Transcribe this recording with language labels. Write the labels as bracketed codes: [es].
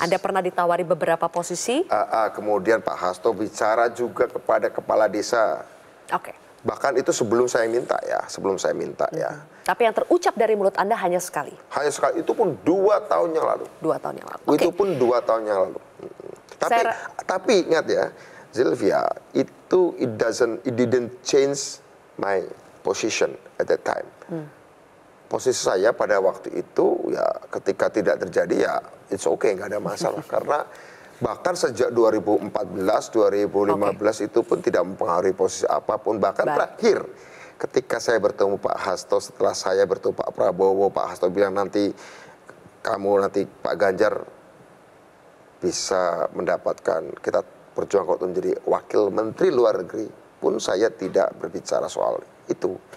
[id] Anda pernah ditawari beberapa posisi? Kemudian Pak Hasto bicara juga kepada kepala desa. Oke. Okay. Bahkan itu sebelum saya minta ya. Tapi yang terucap dari mulut Anda hanya sekali? Hanya sekali, itu pun dua tahun yang lalu. [en] Okay. [id] Itu pun dua tahun yang lalu. Tapi ingat ya, Sylvia, itu [en] it didn't change my position at that time. [id] Posisi saya pada waktu itu, ya ketika tidak terjadi ya [en] it's okay, [id] gak ada masalah. Karena bahkan sejak 2014, 2015 okay. Itu pun tidak mempengaruhi posisi apapun. Bahkan terakhir ketika saya bertemu Pak Hasto, setelah saya bertemu Pak Prabowo, Pak Hasto bilang nanti Pak Ganjar bisa mendapatkan, kita berjuang untuk menjadi wakil menteri luar negeri, pun saya tidak berbicara soal itu.